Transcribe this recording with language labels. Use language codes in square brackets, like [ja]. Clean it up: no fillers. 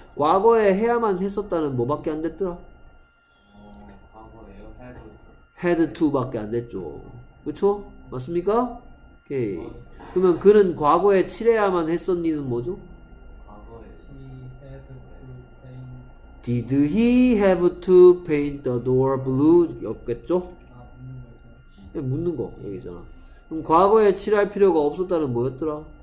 [ko] 과거에 해야만 했었다는 뭐밖에 안 됐더라? 과거에요? had to 밖에 안 됐죠. 그쵸? 맞습니까? 오케이. 그러면 그는 과거에 칠해야만 했었니는 뭐죠? 과거에 [en] he had to paint. Did he have to paint the door blue? [ko] 였겠죠? 아, 묻는 거 있어요. 묻는 거, 여기잖아. 그럼 과거에 칠할 필요가 없었다는 뭐였더라?